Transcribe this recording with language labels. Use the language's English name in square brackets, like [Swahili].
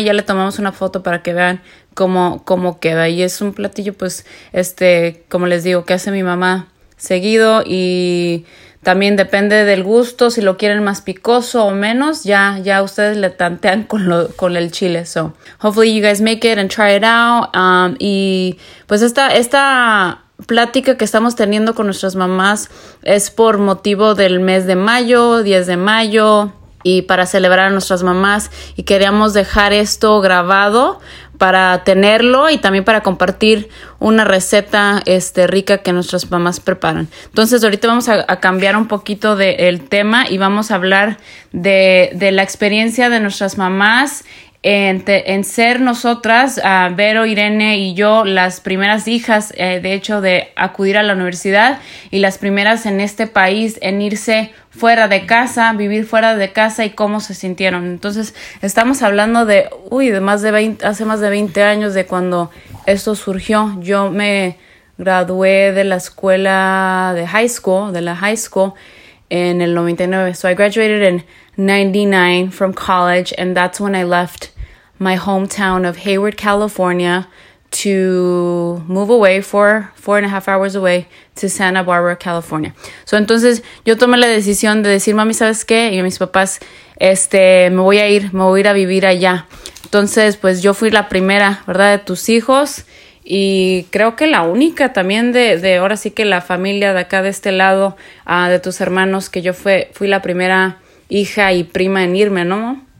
[Spanish] Y ya le tomamos una foto para que vean cómo queda. Y es un platillo, pues, como les digo, que hace mi mamá seguido. Y también depende del gusto, si lo quieren más picoso o menos, ya ustedes le tantean con el chile. [English] So, hopefully you guys make it and try it out. [Spanish] Y pues esta plática que estamos teniendo con nuestras mamás es por motivo del mes de mayo, 10 de mayo, y para celebrar a nuestras mamás. Y queríamos dejar esto grabado para tenerlo y también para compartir una receta rica que nuestras mamás preparan. Entonces, ahorita vamos a cambiar un poquito del tema y vamos a hablar de la experiencia de nuestras mamás en ser nosotras, Vero, Irene y yo, las primeras hijas, de hecho, de acudir a la universidad y las primeras en este país en irse fuera de casa, vivir fuera de casa y cómo se sintieron. Entonces, estamos hablando hace más de 20 años de cuando esto surgió. Yo me gradué de la escuela de la high school en el 99. [English] So I graduated in 99 from college, and that's when I left my hometown of Hayward, California, to move away four and a half hours away to Santa Barbara, California. [Spanish] So entonces yo tomé la decisión de decir, mami, ¿sabes qué? Y a mis papás, me voy a ir a vivir allá. Entonces, pues yo fui la primera, ¿verdad?, de tus hijos, y creo que la única también de ahora sí que la familia de acá de este lado, de tus hermanos, que yo fui la primera hija y prima en irme, ¿no?